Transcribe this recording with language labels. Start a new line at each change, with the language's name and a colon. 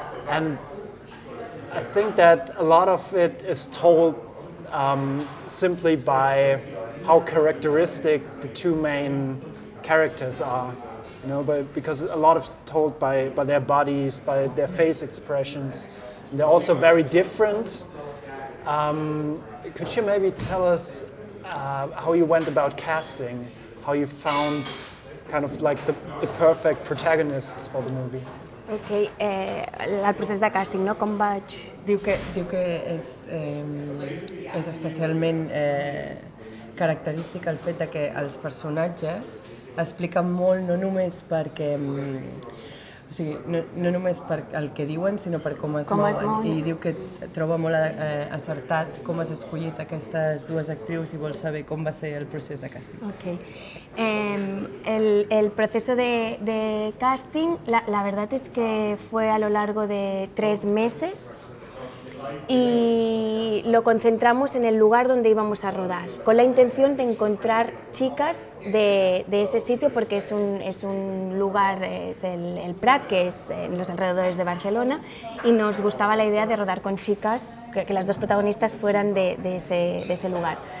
English: And I think that a lot of it is told simply by how characteristic the two main characters are, you know, because a lot of it's told by their bodies, by their face expressions. And they're also very different. Could you maybe tell us how you went about casting, how you found kind of like the perfect protagonists for the movie.
Catalan: Okay, el procés de casting, no? Com vaig? Diu que és, és especialment característic el fet de que els personatges expliquen molt, no només perquè... o sigui, no només per el que diuen, sinó per com es mouen. I diu que troba molt acertat com has escollit aquestes dues actrius i vol saber com va ser el procés de càsting.
English: Ok.
Catalan: El procés de càsting, la veritat és que
Spanish: fue a lo largo de 3 meses y lo concentramos en el lugar donde íbamos a rodar, con la intención de encontrar chicas de ese sitio, porque es un lugar, es el Prat, que es en los alrededores de Barcelona, y nos gustaba la idea de rodar con chicas, que las dos protagonistas fueran de ese lugar.